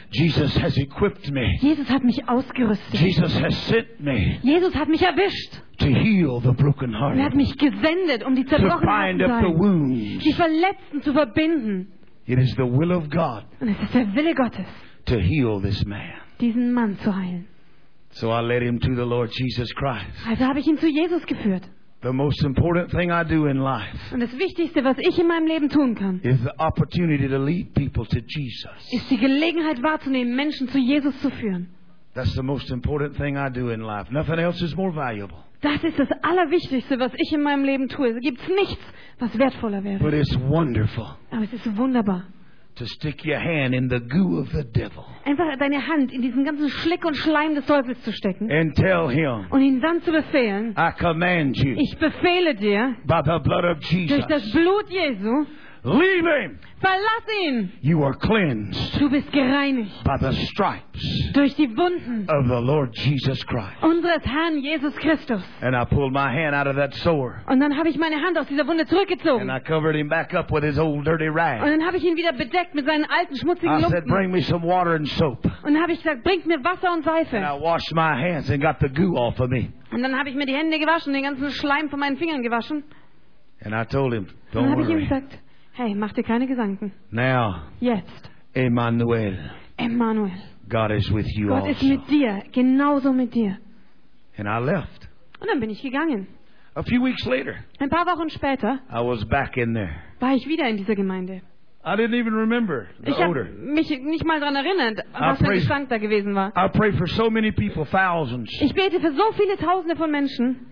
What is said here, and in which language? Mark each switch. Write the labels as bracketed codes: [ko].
[en] Jesus has equipped me. [de] Jesus hat mich ausgerüstet. [en] Jesus has sent me. [de] Jesus hat mich erwischt. [en] To heal the broken heart. [de] Er hat mich gesendet, um die zerbrochenen Herzen zu heilen. Die Verletzten zu verbinden. [en] It is the will of God. [de] Und es ist der Wille Gottes. [en] To heal this man. [de] Diesen Mann zu heilen. [en] So I led him to the Lord Jesus Christ. [de] Also habe ich ihn zu Jesus geführt. [en] The most important thing I do in life. [de] Und das Wichtigste, was ich in meinem Leben tun kann. [en] Is the opportunity to lead people to Jesus. [de] Ist die Gelegenheit wahrzunehmen, Menschen zu Jesus zu führen. [en] That's the most important thing I do in life. Nothing else is more valuable. [de] Das ist das Allerwichtigste, was ich in meinem Leben tue. Es gibt nichts, was wertvoller wäre. [en] But it's wonderful. [de] Aber es ist wunderbar. [en] to stick your hand in the goo of the devil. [de] Einfach deine Hand in diesen ganzen Schleck und Schleim des Teufels zu stecken. [en] And tell him, [de] und ihn dann zu befehlen. [en] I command you, [de] ich befehle dir. [en] By the blood of Jesus, [de] durch das Blut Jesu. [en] Leave him. [de] Verlass ihn. [en] You are cleansed. [de] Du bist gereinigt. [en] By the stripes. [de] Durch die Wunden. [en] Of the Lord Jesus Christ. [de] Unseres Herrn Jesus Christus. [en] And I pulled my hand out of that sore. [de] Und dann habe ich meine Hand aus dieser Wunde zurückgezogen. [en] And I covered him back up with his old dirty rag. [de] Und dann habe ich ihn wieder bedeckt mit seinen alten schmutzigen Lumpen. [en] I said, bring me some water and soap. [de] Und dann habe ich gesagt, bringt mir Wasser und Seife. [en] And I washed my hands and got the goo off of me. [de] Und dann habe ich mir die Hände gewaschen, den ganzen Schleim von meinen Fingern gewaschen. [en] And I told him, don't worry. [de] Und dann habe ich ihm gesagt, hey, mach dir keine Gedanken. [en] Now, [de] jetzt, [en] Emmanuel. [de] Emmanuel. [en] God is with you [de] Gott [en] also. [de] Ist mit dir, genauso mit dir. [en] And I left. [de] Und dann bin ich gegangen. [en] A few weeks later, [de] ein paar Wochen später, [en] I was back in there. [de] War ich wieder in dieser Gemeinde. [en] I didn't even remember the [de] ich habe mich nicht mal daran erinnert, was für ein Gestank da gewesen war. [en] I pray for so many people, thousands. [de] Ich bete für so viele Tausende von Menschen,